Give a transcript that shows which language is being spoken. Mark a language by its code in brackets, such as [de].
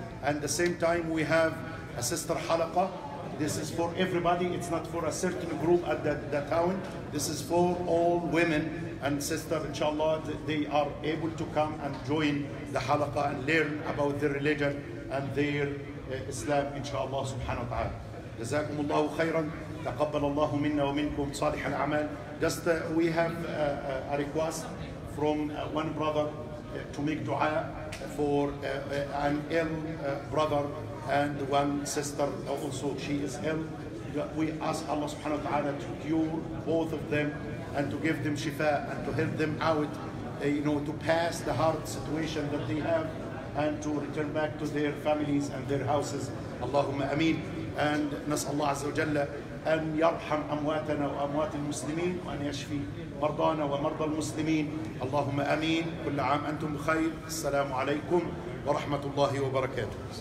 [en] And at the same time we have a sister halaqa. This is for everybody. It's not for a certain group at the town. This is for all women and sister inshallah. They are able to come and join the halaqa and learn about their religion and their Islam inshallah subhanahu wa ta'ala. Jazakumullahu khairan. [ar] تقبل الله منا ومنكم صالح الأعمال. [en] Just we have a request from one brother to make dua for an ill brother and one sister also, she is ill. We ask Allah subhanahu wa ta'ala to cure both of them and to give them shifa and to help them out, you know, to pass the hard situation that they have and to return back to their families and their houses. Allahumma ameen. [ar] And نسأل الله عز وجل أن يرحم أمواتنا وأموات المسلمين وأن يشفي مرضانا ومرضى المسلمين. اللهم أمين. كل عام أنتم بخير. السلام عليكم ورحمة الله وبركاته.